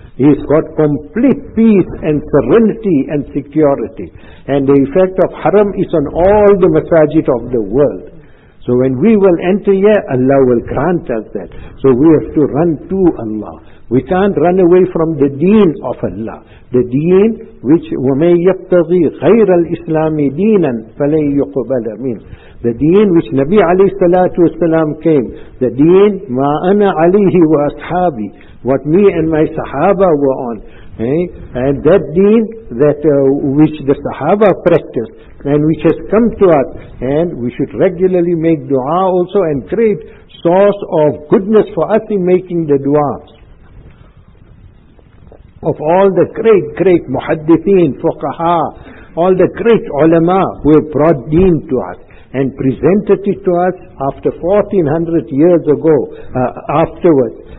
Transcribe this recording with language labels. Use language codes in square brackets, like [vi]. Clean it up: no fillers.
[en] He's got complete peace and serenity and security. And the effect of haram is on all the masajid of the world. So when we will enter here, Allah will grant us that. So we have to run to Allah. We can't run away from the deen of Allah. The deen which [ar] وَمَنْ يَبْتَغِي غَيْرَ الْإِسْلَامِ دِينًا فَلَنْ يُقْبَلَ مِنْهُ. [en] The deen which Nabi alayhi salatu wasalam came. The deen [ar] مَا أَنَا عَلَيْهِ وَأَصْحَابِي. [en] What me and my Sahaba were on. And that deen that which the Sahaba practiced and which has come to us, and we should regularly make dua also, and great source of goodness for us in making the dua of all the great, great muhaddithin, fuqaha, all the great ulama who have brought deen to us and presented it to us after 1400 years ago, afterwards.